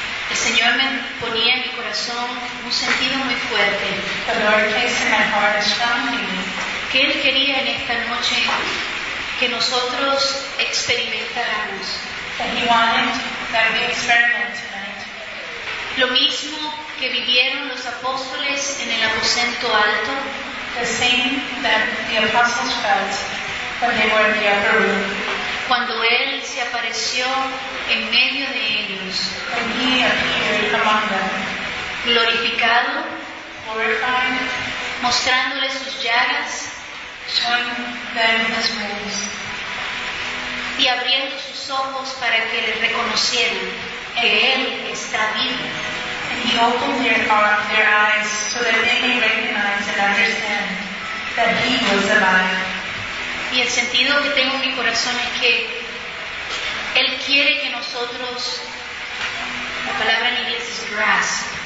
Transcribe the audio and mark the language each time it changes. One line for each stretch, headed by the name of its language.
Spanish: El Señor me ponía en mi corazón un sentido muy fuerte.
English: The Lord placed in my heart a strong feeling.
Spanish: Que Él quería en esta noche que nosotros experimentáramos.
English: That He wanted that we experiment tonight.
Spanish: Lo mismo que vivieron los apóstoles en el aposento alto.
English: The same that the apostles felt when they were in the upper room.
Spanish: Cuando Él se apareció en medio de ellos.
English: When He appeared among them.
Spanish: Glorificado.
English: Glorified.
Spanish: Mostrándoles sus llagas.
English: Showing them His wounds.
Spanish: Y abriendo sus ojos para que les reconocieran que Él está vivo.
English: And He opened their eyes so that they may recognize and understand that He was alive.
Spanish: Y el sentido que tengo en mi corazón es que Él quiere que nosotros, la palabra en inglés es grasp.